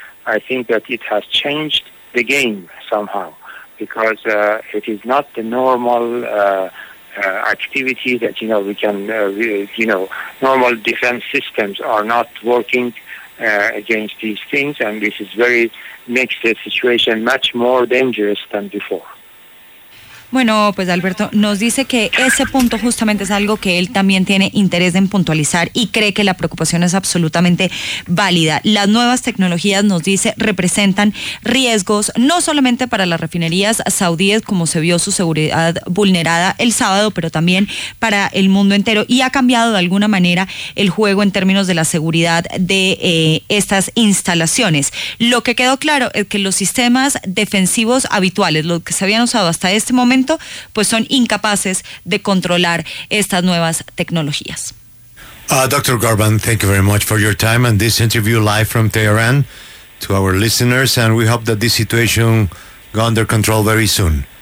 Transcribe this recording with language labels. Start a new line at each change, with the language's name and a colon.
English: I think that it has changed the game somehow, because it is not the normal activity that, you know, we can, you know, normal defense systems are not working against these things, and this is very, makes the situation much more dangerous than before.
Spanish: Bueno, pues Alberto nos dice que ese punto justamente es algo que él también tiene interés en puntualizar y cree que la preocupación es absolutamente válida. Las nuevas tecnologías, nos dice, representan riesgos no solamente para las refinerías saudíes, como se vio su seguridad vulnerada el sábado, pero también para el mundo entero, y ha cambiado de alguna manera el juego en términos de la seguridad de estas instalaciones. Lo que quedó claro es que los sistemas defensivos habituales, los que se habían usado hasta este momento, pues son incapaces de controlar estas nuevas tecnologías.
English: Dr. Gorban, thank you very much for your time and this interview live from Tehran to our listeners, and we hope that this situation go under control very soon.